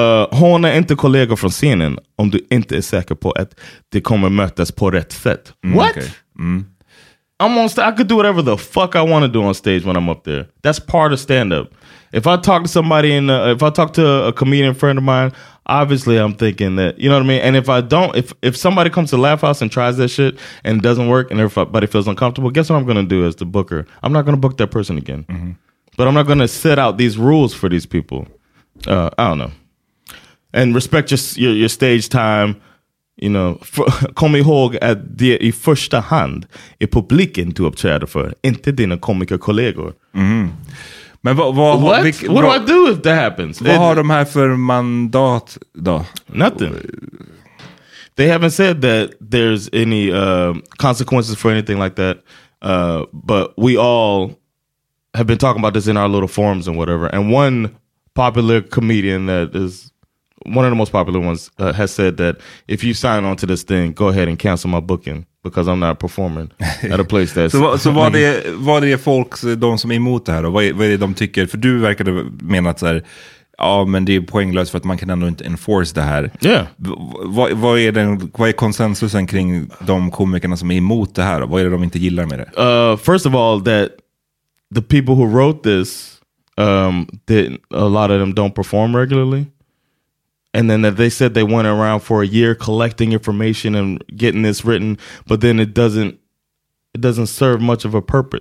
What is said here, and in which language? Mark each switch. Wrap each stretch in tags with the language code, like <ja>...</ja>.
<sv>Håna inte kollega från scenen om du inte är säker på att det kommer mötas på rätt sätt.</sv> <en>What? Okay. I could do whatever the fuck I want to do on stage when I'm up there. That's part of stand-up. If I talk to somebody, if I talk to a comedian friend of mine, obviously I'm thinking that, you know what I mean? And if I don't, if somebody comes to Laugh House and tries that shit and it doesn't work and everybody feels uncomfortable, guess what I'm going to do as the booker? I'm not going to book that person again. Mm-hmm. But I'm not going to set out these rules for these people. I don't know. And respect your stage time. You know,</en> <sv>kom ihåg att det i första hand är publiken du uppträder för, inte dina komikerkollegor. Mm. Men</sv> <en>what do I do if that happens?</en> <sv>Vad har de här för mandat då?</sv> <en>Nothing. They haven't said that there's any consequences for anything like that. But we all have been talking about this in our little forums and whatever. And one popular comedian that is one of the most popular ones has said that if you sign on to this thing, go ahead and cancel my booking because I'm not performing at a place that's...</en> <sv>Så vad är folk, de som är emot det här, och vad är de tycker? För du verkade mena att så här, ja, men det är poänglöst för att man kan ändå inte enforce det här.</sv> <en>Yeah.</en> <sv>Vad är konsensusen kring de komikerna som är emot det här? Och vad är det de inte gillar med det?</sv> <en>First of all, that the people who wrote this, a lot of them don't perform regularly. And then they said they went around for a year collecting information and getting this written, but then it doesn't serve much of a purpose.</en>